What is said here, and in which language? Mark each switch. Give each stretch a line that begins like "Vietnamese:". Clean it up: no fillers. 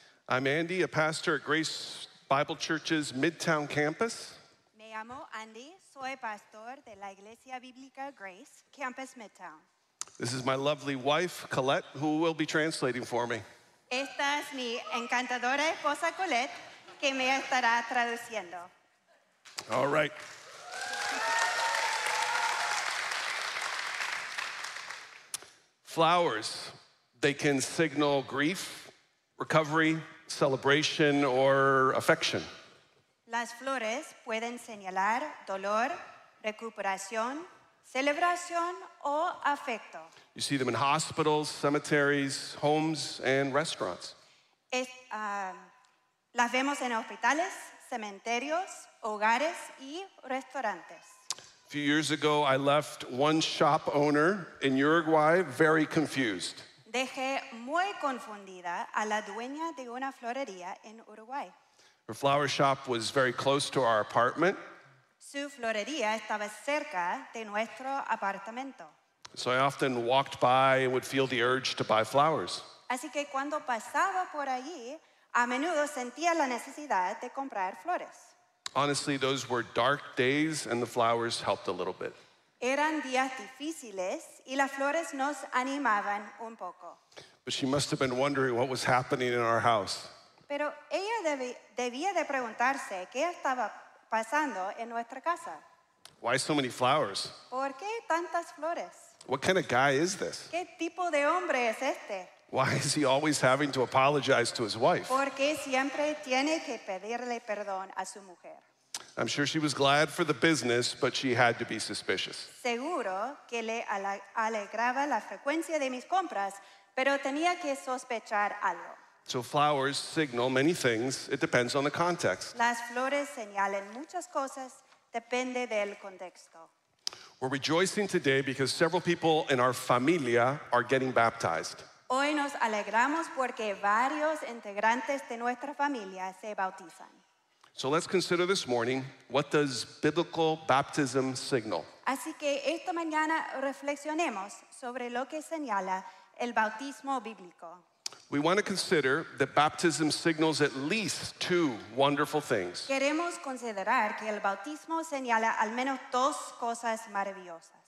English: I'm Andy, a pastor at Grace Bible Church's Midtown Campus.
Spanish: Me llamo Andy, soy pastor de la Iglesia Bíblica Grace, Campus Midtown.
English: This is my lovely wife, Colette, who will be translating for me.
Spanish: Esta es mi encantadora esposa, Colette, que me estará traduciendo.
English: All right. Flowers. They can signal grief, recovery, celebration, or affection.
Spanish: Las flores pueden señalar dolor, recuperación, celebración, o afecto.
English: You see them in hospitals, cemeteries, homes, and restaurants.
Spanish: Las vemos en hospitales, cementerios, hogares, y restaurantes.
English: A few years ago, I left one shop owner in Uruguay very confused.
Spanish: Dejé muy confundida a la dueña de una florería en Uruguay.
English: Her flower shop was very close to our apartment.
Spanish: Su florería estaba cerca de nuestro apartamento.
English: So I often walked by and would feel the urge to buy flowers.
Spanish: Así que cuando pasaba por allí, a menudo sentía la necesidad de comprar flores.
English: Honestly, those were dark days and the flowers helped a little bit.
Spanish: Eran días difíciles y las flores nos animaban un poco.
English: But she must have been wondering what was happening in our house.
Spanish: Pero ella debía de preguntarse qué estaba pasando en nuestra casa.
English: Why so many flowers?
Spanish: ¿Por qué tantas flores?
English: What kind of guy is this?
Spanish: ¿Qué tipo de hombre es este?
English: Why is he always having to apologize to his wife?
Spanish: ¿Por qué siempre tiene que pedirle perdón a su mujer?
English: I'm sure she was glad for the business, but she had to be suspicious.
Spanish: Seguro que le alegraba la frecuencia de mis compras, pero tenía que sospechar algo.
English: So flowers signal many things. It depends on the context.
Spanish: Las flores señalan muchas cosas. Depende del contexto.
English: We're rejoicing today because several people in our familia are getting baptized.
Spanish: Hoy nos alegramos porque varios integrantes de nuestra familia se bautizan.
English: So let's consider this morning, what does biblical baptism signal?
Spanish: Así que esta mañana reflexionemos sobre lo que señala el bautismo bíblico.
English: We want to consider that baptism signals at least two wonderful things.
Spanish: Queremos considerar que el bautismo señala al menos dos cosas maravillosas.